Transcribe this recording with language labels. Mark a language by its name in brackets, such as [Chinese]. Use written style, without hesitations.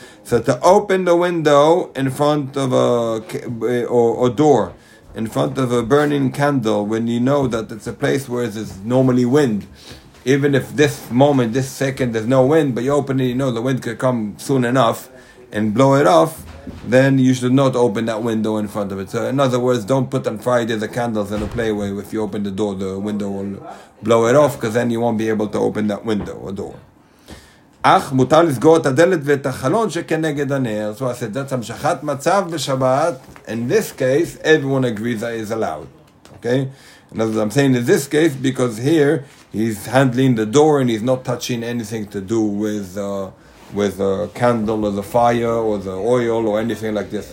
[English] So to open the window in front of a door, in front of a burning candle, when you know that it's a place where there's normally wind, even if this moment, this second, there's no wind, but you open it, you know the wind could come soon enough and blow it off, then you should not open that window in front of it. So in other words, don't put on Friday the candles in a playway. If you open the door, the window will blow it off, because then you won't be able to open that window or door. [Hebrew] אך מותר לסגור את הדלת ואת החלון שכנגד הנר. [English] So I said, that's [Hebrew] המשכת מצב בשבת. [English] In this case, everyone agrees that is allowed. Okay? And as I'm saying in this case, because here, he's handling the door and he's not touching anything to do with a candle or the fire or the oil or anything like this.